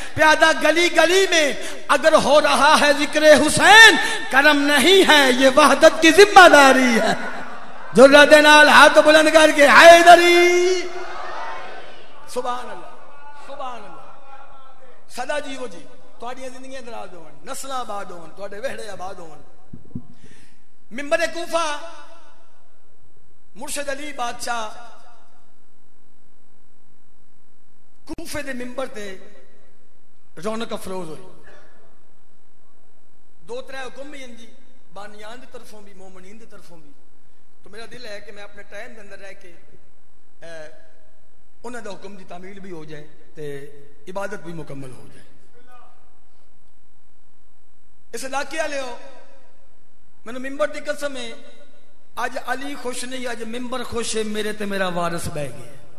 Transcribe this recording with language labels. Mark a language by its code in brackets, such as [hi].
[ur] پیادہ گلی گلی میں اگر ہو رہا ہے ذکر حسین، کرم نہیں ہے یہ وحدت کی ذمہ داری ہے. [pa] جرات نال ہاتھ بلند کر کے حیدری. سبحان اللہ سبحان اللہ، سدا جیو جی تہاڈی زندگی دراز ہون، نسل آباد ہون، تہاڈے وہڑے آباد ہون. ممبر کوفہ مرشد علی بادشاہ کوفے دے ممبر تے رونق افروز ہوئی. دو ترے حکم بھی ان دی بانیان دی طرفوں بھی، مومنین دی طرفوں بھی. تو میرا دل ہے کہ میں اپنے ٹائم دے اندر رہ کے انہوں کا حکم دی تعمیل بھی ہو جائے تے عبادت بھی مکمل ہو جائے. اس علاقے والے ہو میں ممبر دی قسم ہے، اج علی خوش نہیں، اج ممبر خوش ہے، میرے تے میرا وارث بہ گیا.